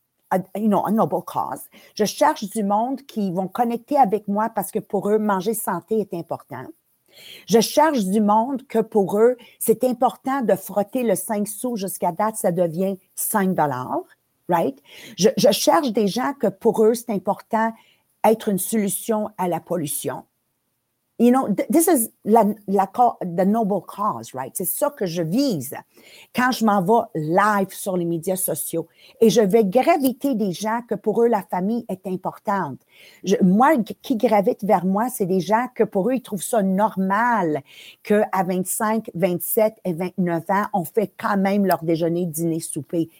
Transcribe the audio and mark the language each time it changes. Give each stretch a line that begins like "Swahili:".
English: A noble cause.
French: Je cherche du monde qui vont connecter avec moi parce que pour eux, manger santé est important. Je cherche du monde que pour eux, c'est important de frotter le 5 sous jusqu'à date, ça devient 5 $, right? Je cherche des gens que pour eux, c'est important être une solution à la pollution.
English: You know, this is the noble cause, right?
French: C'est ça que je vise quand je m'en vais live sur les médias sociaux et je vais graviter des gens que pour eux, la famille est importante. Moi, qui gravite vers moi, c'est des gens que pour eux, ils trouvent ça normal qu'à 25, 27 et 29 ans, on fait quand même leur déjeuner, dîner, souper.